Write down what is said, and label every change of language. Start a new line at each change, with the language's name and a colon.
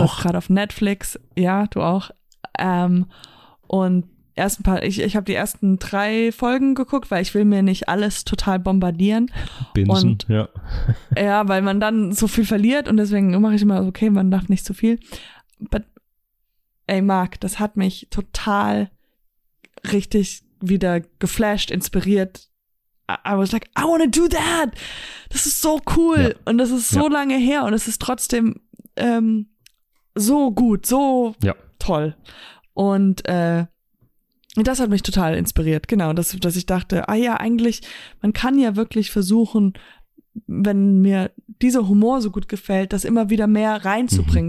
German: Das läuft gerade auf Netflix. Ja, du auch. Und erst ein paar, ich habe die ersten 3 Folgen geguckt, weil ich will mir nicht alles total bombardieren. Bingen, ja. Ja, weil man dann so viel verliert und deswegen mache ich immer so, okay, man darf nicht zu viel. But, ey Marc, das hat mich total richtig wieder geflasht, inspiriert.
English: I was like, I wanna do that!
German: Das ist so cool! Ja. Und das ist so lange her und es ist trotzdem so gut, so toll. Und das hat mich total inspiriert, genau. Dass ich dachte, ah ja, eigentlich, man kann ja wirklich versuchen, wenn mir dieser Humor so gut gefällt, das immer wieder mehr reinzubringen.